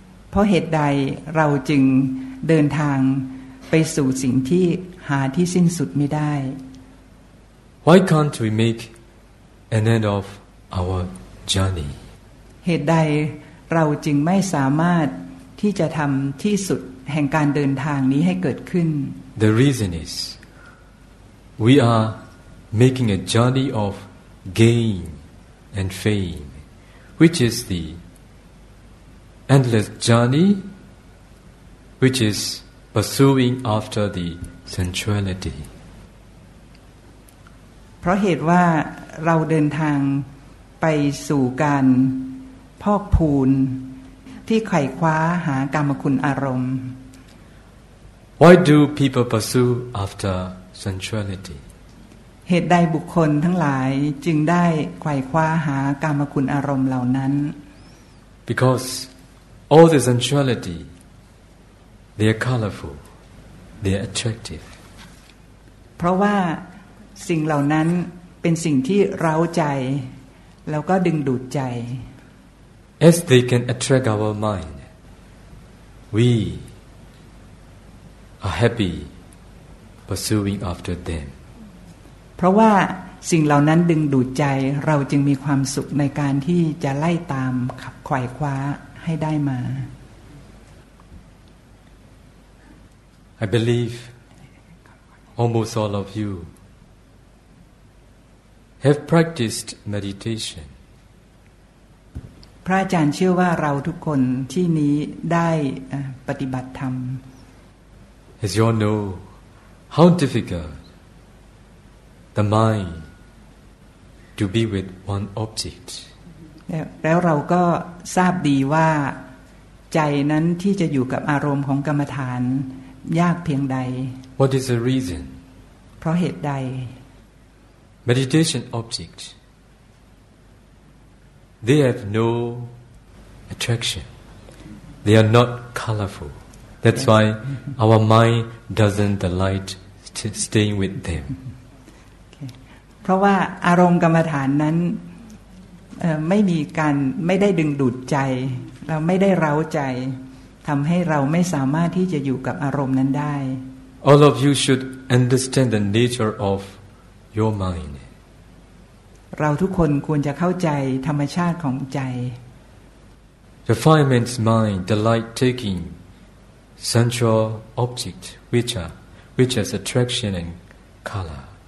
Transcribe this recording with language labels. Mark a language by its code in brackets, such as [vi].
[th] เพราะเหตุใดเราจึงเดินทางไปสู่สิ่งที่หาที่สิ้นสุดไม่ได้ [en] Why can't we make an end of our journey. [th] เหตุใดเราจึงไม่สามารถที่จะทำที่สุดแห่งการเดินทางนี้ให้เกิดขึ้น [en] The reason is we are making a journey of gain and fame, which is the endless journey, which is pursuing after the sensuality. [th] เพราะเหตุว่าเราเดินทางไปสู่การพอกพูนที่ไขว่คว้าหากามคุณอารมณ์ [en] Why do people pursue after sensuality? [th] เหตุใดบุคคลทั้งหลายจึงได้ไขว่คว้าหากามคุณอารมณ์เหล่านั้น [en] Because all the sensuality they are colorful they are attractive [th] เพราะว่าสิ่งเหล่านั้นเป็นสิ่งที่เร้าใจแล้วก็ดึงดูดใจ [en] As they can attract our mind, we are happy pursuing after them. [th] เพราะว่าสิ่งเหล่านั้นดึงดูดใจเราจึงมีความสุขในการที่จะไล่ตามขับไขว่คว้าให้ได้มา [en] I believe almost all of you have practiced meditation. [th] พระอาจารย์เชื่อว่าเราทุกคนที่นี้ได้ปฏิบัติธรรม [en] As you all know, how difficult the mind to be with one object. [th] แล้วเราก็ทราบดีว่าใจนั้นที่จะอยู่กับอารมณ์ของกรรมฐานยากเพียงใด [en] What is the reason? [th] เพราะเหตุใด [en] Meditation objectThey have no attraction. They are not colorful. That's why our mind doesn't delight staying with them. [th] เพราะว่าอารมณ์กรรมฐานนั้นไม่มีการไม่ได้ดึงดูดใจเราไม่ได้เร้าใจทำให้เราไม่สามารถที่จะอยู่กับอารมณ์นั้นได้ [en] All of you should understand the nature of your mind. [th] เราทุกคนควรจะเข้าใจธรรมชาติของใจ [en] The fine man's mind delight taking sensual object which is attraction and color